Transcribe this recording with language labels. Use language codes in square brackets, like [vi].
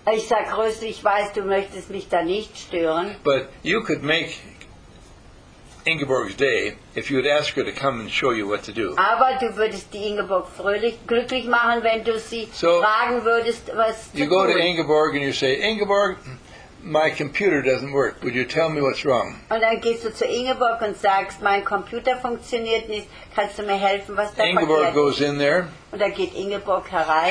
[de] Ich sag, Rosalie, ich weiß, du möchtest mich da nicht stören. [en] But you could make Ingeborg's day if you would ask her to come and show you what to do. [de] Aber du würdest die Ingeborg fröhlich, glücklich machen, wenn du sie so fragen würdest, was zu tun. [en] You go to Ingeborg and you say, Ingeborg, my computer doesn't work. Would you tell me what's wrong? [de] Und dann gehst du zu Ingeborg und sagst, mein Computer funktioniert nicht. Kannst du mir helfen, was da passiert? [en] Ingeborg goes in there. [de] Und da geht Ingeborg herein.